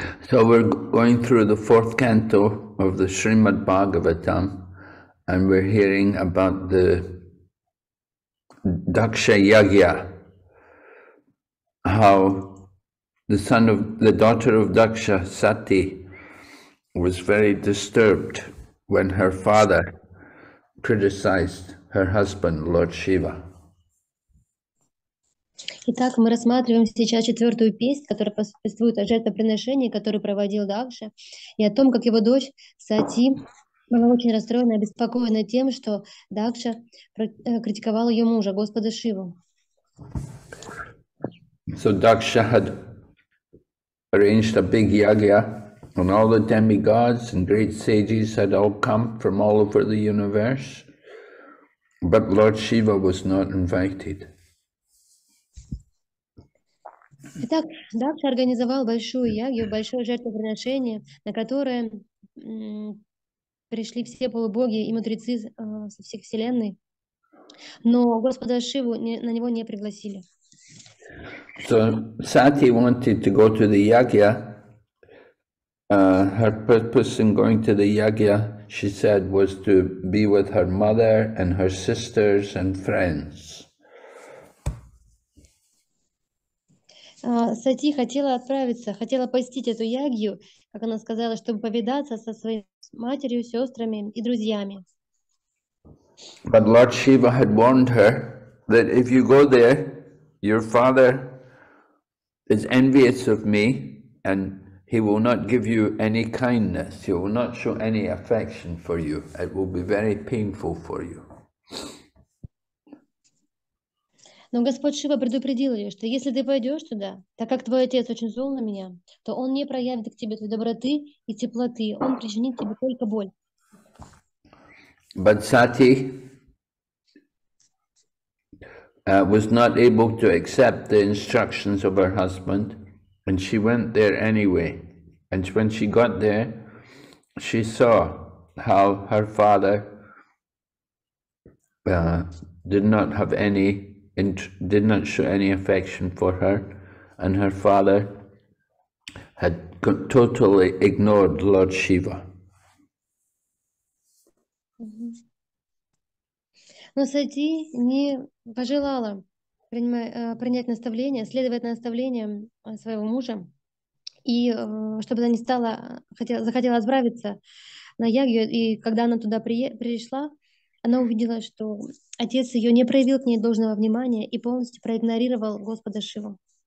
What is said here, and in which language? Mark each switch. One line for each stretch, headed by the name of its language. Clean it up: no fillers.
English: So we're going through the fourth canto of the Srimad Bhagavatam, and we're hearing about the Daksha Yagya, how the son of the daughter of Daksha, Sati, was very disturbed when her father criticized her husband, Lord Shiva.
Russian: Итак, мы рассматриваем сейчас четвертую песнь, которая посвящена жертвоприношению, которое проводил Дакша, и о том, как его дочь Сати была очень расстроена и обеспокоена тем, что Дакша критиковал ее мужа, Господа Шиву.
English: So Daksha had arranged a big yagya, and all the demigods and great sages had all come from all over the universe, but Lord Shiva was not invited.
Russian: Итак, Дакша организовал большую ягью, большое жертвоприношение, на которое пришли все полубоги и мудрецы со всех вселенной, но Господа Шиву на него не пригласили.
English: So Sati wanted to go to the yagya. Her purpose in going to the yagya, she said, was to be with her mother and her sisters and friends.
Russian: Сати хотела отправиться, хотела посетить эту ягью, как она сказала, чтобы повидаться со своей матерью, сестрами и друзьями.
English: But Lord Shiva had warned her that if you go there, your father is envious of me and he will not give you any kindness, he will not show any affection for you, it will be very painful for you.
Russian: Но Господь Шива предупредил ее, что если ты пойдешь туда, так как твой отец очень зол на меня, то он не проявит к тебе твоей доброты и теплоты, он причинит тебе только боль.
English: But Sati was not able to accept the instructions of her husband, and she went there anyway. And when she got there, she saw how her father did not have any and did not show any affection for her, and her father had totally ignored Lord Shiva.
Russian: Но Сати не пожелала принять наставление, следовать наставлениям своего мужа, и чтобы она не стала, захотела отправиться на ягью, и когда она туда пришла, она увидела, что отец ее не проявил к ней должного внимания и полностью проигнорировал Господа Шиву.